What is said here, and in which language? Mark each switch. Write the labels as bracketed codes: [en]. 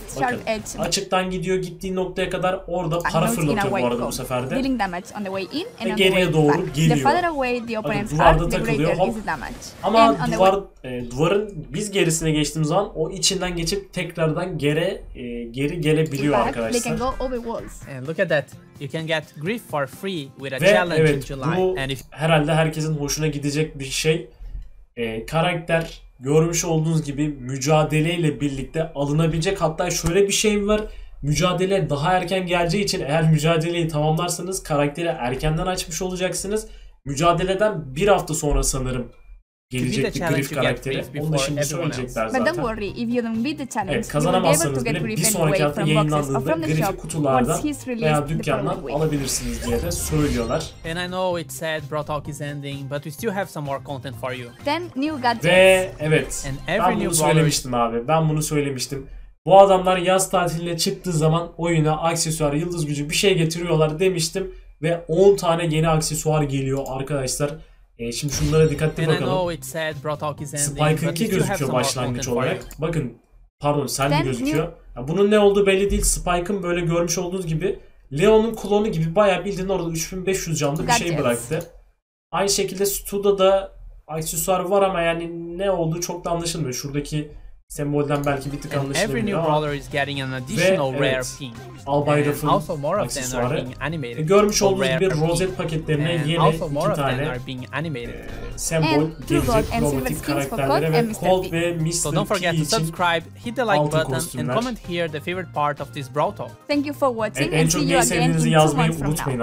[tr] Bakın açıktan gidiyor gittiği noktaya kadar orada para fırlatıyor bu arada bu sefer de. Ve geriye doğru geliyor. Bakın duvarda takılıyor hop. Ama duvarın biz gerisine geçtiğimiz zaman o içinden geçip tekrardan geri gelebiliyor arkadaşlar. [en] You can get Griff for free with a challenge in July. [tr] Bu herhalde herkesin hoşuna gidecek bir şey. Karakter görmüş olduğunuz gibi mücadeleyle birlikte alınabilecek. Hatta şöyle bir şey var. Mücadele daha erken geleceği için eğer mücadeleyi tamamlarsanız karakteri erkenden açmış olacaksınız. Mücadeleden bir hafta sonra sanırım gelecek bir Griff karakteri. Onu da şimdi söyleyecekler zaten. Evet, kazanamazsanız bile bir sonraki hafta yayınlandığında Griff'i kutulardan veya dükkandan alabilirsiniz diye de söylüyorlar. [en] And I know it's sad Brawlhawk is ending, but we still have some more content for you. Then new gadgets. [tr] Ve evet, ben bunu söylemiştim abi. Bu adamlar yaz tatiline çıktığı zaman oyuna aksesuar, yıldız gücü bir şey getiriyorlar demiştim. Ve 10 tane yeni aksesuar geliyor arkadaşlar. Şimdi şunlara dikkatli bakalım. Spike 2 gözüküyor başlangıç olarak. Bakın, pardon sen de gözüküyor. Bunun ne olduğu belli değil. Spike'ın böyle görmüş olduğunuz gibi Leon'un klonu gibi bayağı bildiğin orada 3500 canlı bir şey bıraktı. Aynı şekilde Stu'da da aksesuar var ama yani ne olduğu çok da anlaşılmıyor. Şuradaki sembolden belki bir tık anlaşılabilir ama. Ve evet, Albay Ruff'ın aksesuarı. Görmüş olduğunuz gibi rozet paketlerine yeni iki tane sembol gelecek. Kromatik karakterlere ve Colt ve Mr. [en] So don't forget to subscribe, hit the like button and comment here the favorite part of this brawl talk. Thank you for watching and see you again in 2 months from now.